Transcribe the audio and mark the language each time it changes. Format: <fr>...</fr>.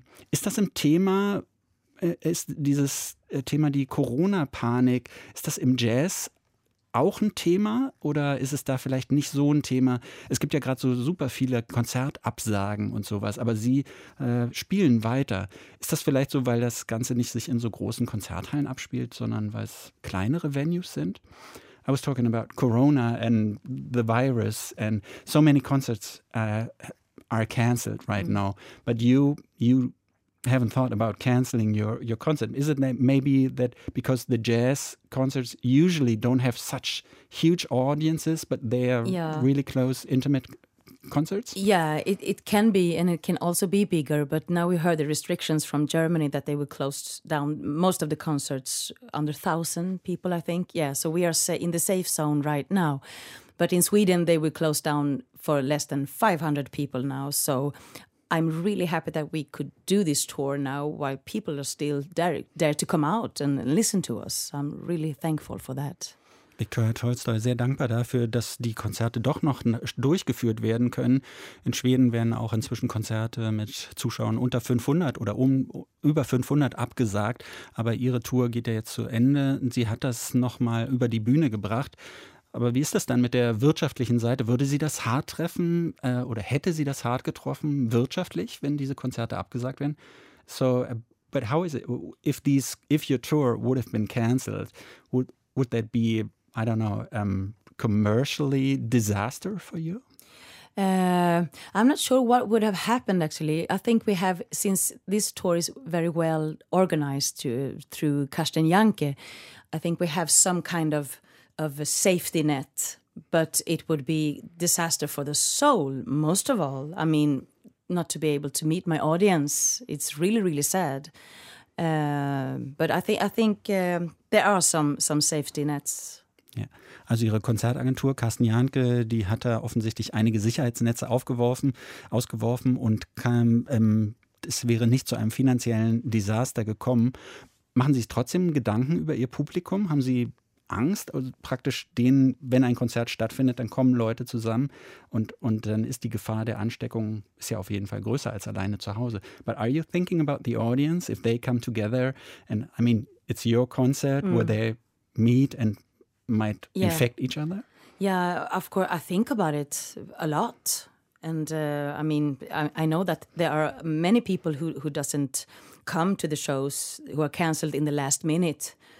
<de>Ist das im Thema, ist dieses Thema die Corona-Panik, ist das im Jazz auch ein Thema oder ist es da vielleicht nicht so ein Thema? Es gibt ja gerade so super viele Konzertabsagen und sowas, aber Sie spielen weiter. Ist das vielleicht so, weil das Ganze nicht sich in so großen Konzerthallen abspielt, sondern weil es kleinere Venues sind?</de> <en>I was talking about Corona and the virus and so many concerts are canceled right now. But you haven't thought about canceling your concert. Is it maybe that because the jazz concerts usually don't have such huge audiences, but they are really close, intimate concerts? Yeah, it can be and it can also be bigger. But now we heard the restrictions from Germany that they will close down most of the concerts under 1,000 people, I think. Yeah, so we are in the safe zone right now. But in Sweden, they will close down for less than 500 people now. So I'm really happy that we could do this tour now while people are still dare to come out and listen to us. I'm really thankful for that.</en> <de>Victoria Tolstoy, sehr dankbar dafür, dass die Konzerte doch noch durchgeführt werden können. In Schweden werden auch inzwischen Konzerte mit Zuschauern unter 500 oder über 500 abgesagt. Aber ihre Tour geht ja jetzt zu Ende. Sie hat das nochmal über die Bühne gebracht. Aber wie ist das dann mit der wirtschaftlichen Seite? Würde sie das hart treffen oder hätte sie das hart getroffen wirtschaftlich, wenn diese Konzerte abgesagt werden?</de> <en>So, but how is it, if your tour would have been cancelled, would that be, I don't know, commercially disaster for you? I'm not sure what would have happened, actually. I think we have, since this tour is very well organized through Karsten Janke, I think we have some kind of a safety net, but it would be disaster for the soul, most of all. I mean, not to be able to meet my audience. It's really, really sad. But I think there are some safety nets.</en> <de>Ja. Also Ihre Konzertagentur, Karsten Janke, die hat da offensichtlich einige Sicherheitsnetze ausgeworfen und es wäre nicht zu einem finanziellen Desaster gekommen. Machen Sie sich trotzdem Gedanken über Ihr Publikum? Haben Sie Angst, also praktisch denen, wenn ein Konzert stattfindet, dann kommen Leute zusammen und dann ist die Gefahr der Ansteckung ist ja auf jeden Fall größer als alleine zu Hause.</de> <en>But are you thinking about the audience if they come together and I mean it's your concert where they meet and might infect each other? Yeah, of course I think about it a lot and I mean I know that there are many people who doesn't come to the shows who are cancelled in the last minute.</en>